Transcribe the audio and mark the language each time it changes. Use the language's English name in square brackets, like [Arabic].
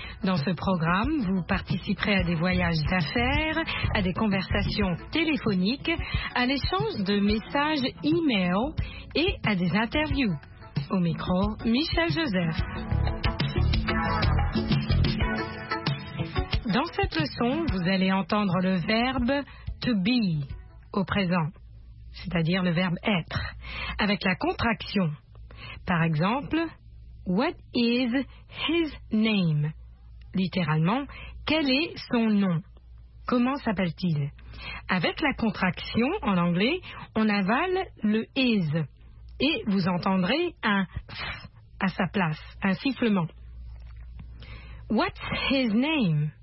[French] Dans ce programme, vous participerez à des voyages d'affaires, à des conversations téléphoniques, à l'échange de messages e-mail et à des interviews. Au micro, Michel Joseph. Dans cette leçon, vous allez entendre le verbe to be au présent, c'est-à-dire le verbe être, avec la contraction. Par exemple, [English] what is his name? [French] Littéralement, quel est son nom? Comment s'appelle-t-il? Avec la contraction, en anglais, on avale le is et vous entendrez un f à sa place, un sifflement. [English] What's his name?